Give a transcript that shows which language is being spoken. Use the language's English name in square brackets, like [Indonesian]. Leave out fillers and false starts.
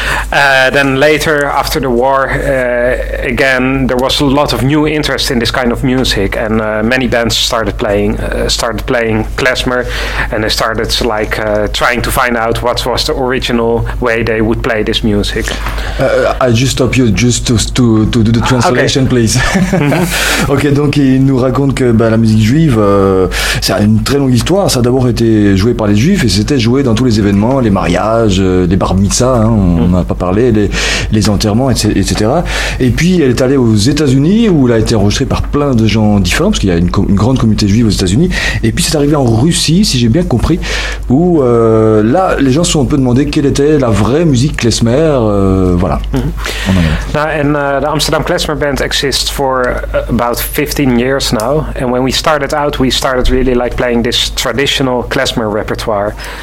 [English] Then later, after the war, again, there was a lot of new interest in this kind of music, and many bands started playing klezmer, and they started like trying to find out what was the original way they would play this music. I just stop you just to do the translation, okay. Please. Mm-hmm. [French] Okay, donc il nous raconte que la musique juive, ça a une très longue histoire. Ça a d'abord été joué par les juifs, et c'était joué dans tous les événements, les mariages, les bar mitzvahs. Hein, on n'a pas parlé, les enterrements, etc. Et puis, elle est allée aux États-Unis, où elle a été enregistrée par plein de gens différents, parce qu'il y a une grande communauté juive aux États-Unis. Et puis, c'est arrivé en Russie, si j'ai bien compris, où là, les gens se sont un peu demandé quelle était la vraie musique klezmer. Voilà. Mm-hmm. [English] The Amsterdam Klezmer Band exists for about 15 years now. And when we started really like playing this traditional klezmer repertoire.